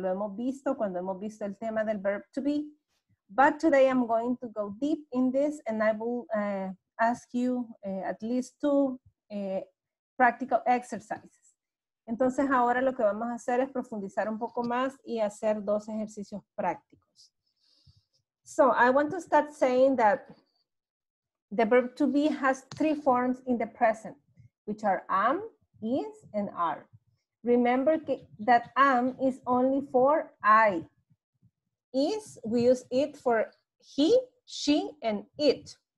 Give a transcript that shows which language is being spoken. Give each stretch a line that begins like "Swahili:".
Spanish: Lo hemos visto cuando hemos visto el tema del verb to be.
English: But today I'm going to go deep in this and I will ask you at least two practical exercises.
Spanish: Entonces ahora lo que vamos a hacer es profundizar un poco más y hacer dos ejercicios prácticos.
English: So I want to start saying that the verb to be has three forms in the present, which are am, is, and are. Remember that am is only for I. Is, we use it for he, she, and it.